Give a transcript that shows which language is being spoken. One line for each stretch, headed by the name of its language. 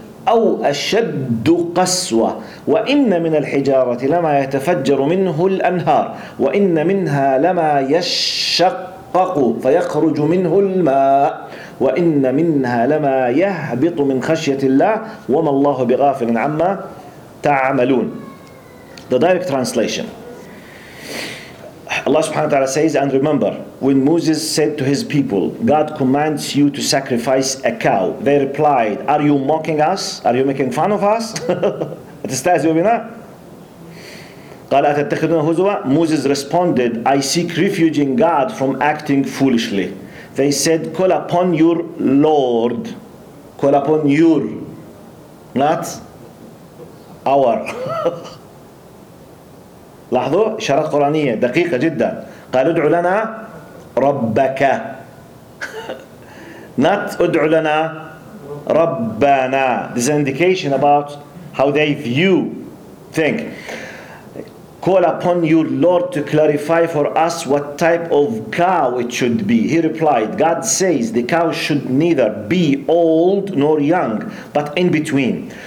Arabic: أو أشد قسوة وإن من الحجارة لما يتفجر منه الأنهار وإن منها لما يشقق فيخرج منه الماء وإن منها لما يهبط من خشية الله وما الله بغافل عما تعملون.
English: The direct translation. Allah subhanahu wa ta'ala says, and remember, when Moses said to his people, God commands you to sacrifice a cow. They replied, are you mocking us? Are you making fun of us?
Arabic: أتستهزئ بنا؟ قال أتتخذون هزوا؟
English: Moses responded, I seek refuge in God from acting foolishly. They said, call upon your Lord. Call upon your, not our.
Arabic: لاحظوا إشارات قرآنية دقيقة جدا. قال ادعوا لنا ربك. Not ادعوا لنا ربنا.
English: This is an indication about how they view, think. Call upon your Lord to clarify for us what type of cow it should be. He replied, God says the cow should neither be old nor young, but in between.